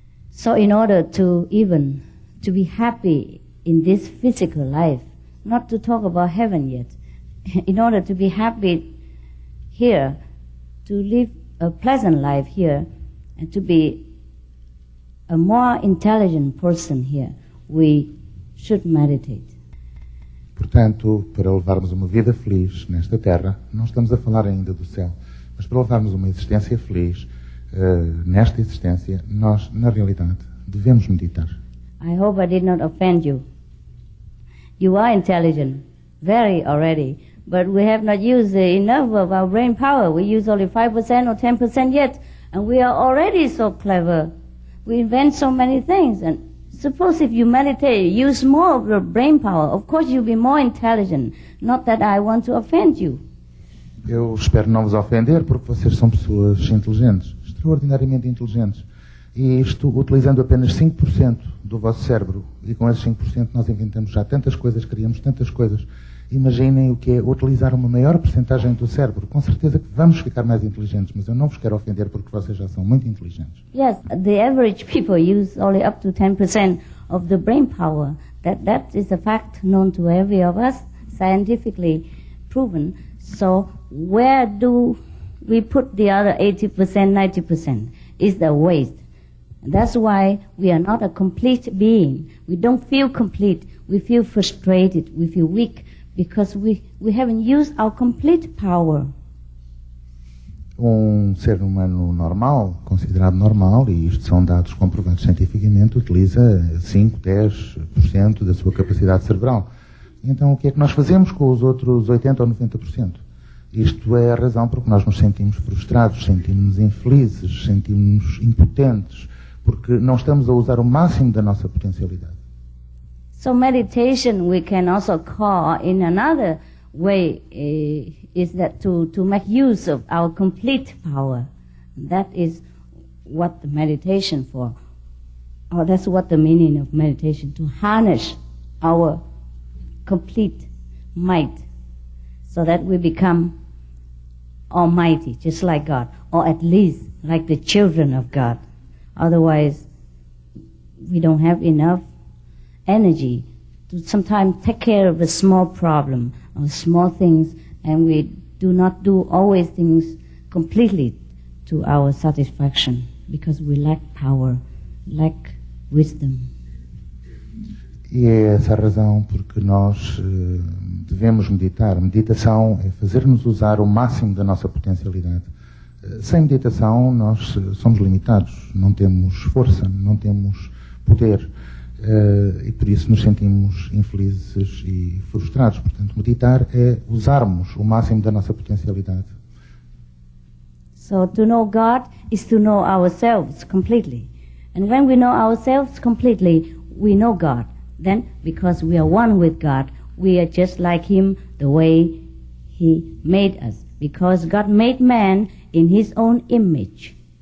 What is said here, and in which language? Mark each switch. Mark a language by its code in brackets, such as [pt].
[en] So in order to even to be happy in this physical life, not to talk about heaven yet, in order to be happy here, to live a pleasant life here, and to be a more intelligent person here, we should meditate. [pt] Portanto, para levarmos uma vida feliz nesta terra, não estamos a falar ainda do céu, mas para levarmos uma existência feliz, nesta existência, nós, na realidade, devemos meditar. [en] I hope I did not offend you. You are intelligent, very already, but we have not used enough of our brain power. We use only 5% or 10% yet, and we are already so clever. We invent so many things, and suppose if you meditate, use more of your brain power, of course you'll be more intelligent. Not that I want to offend you. [pt] Eu espero não vos ofender, porque vocês são pessoas inteligentes, extraordinariamente inteligentes. E isto utilizando apenas 5% do vosso cérebro, e com esses 5% nós inventamos já tantas coisas, criamos tantas coisas. Imaginem o que é utilizar uma maior percentagem do cérebro. Com certeza que vamos ficar mais inteligentes, mas eu não vos quero ofender porque vocês já são muito inteligentes. [en] Yes, the average people use only up to 10% of the brain power. That is a fact known to every of us, scientifically proven. So where do we put the other 80%, 90%? Is the waste. That's why we are not a complete being. We don't feel complete. We feel frustrated. We feel weak because we haven't used our complete power. [pt] Um ser humano normal, considerado normal, e isto são dados comprovados cientificamente, utiliza 5, 10% da sua capacidade cerebral. Então, o que é que nós fazemos com os outros 80 ou 90%? Isto é a razão porque nós nos sentimos frustrados, sentimos infelizes, sentimos impotentes. Porque não estamos a usar o máximo da nossa potencialidade. [en] So meditation we can also call in another way is that to make use of our complete power. That is what the meditation for. Or that's what the meaning of meditation, to harness our complete might so that we become almighty, just like God, or at least like the children of God. Otherwise, we don't have enough energy to sometimes take care of a small problem or small things, and we do not do always things completely to our satisfaction because we lack power, lack wisdom. [pt] E é essa a razão porque nós devemos meditar. Meditação é fazer-nos usar o máximo da nossa potencialidade. Sem meditação, nós somos limitados, não temos força, não temos poder, e por isso nos sentimos infelizes e frustrados. Portanto, meditar é usarmos o máximo da nossa potencialidade. [en] So, to know God is to know ourselves completely. And when we know ourselves completely, we know God. Then, because we are one with God, we are just like Him the way He made us. Because God made man in His own image.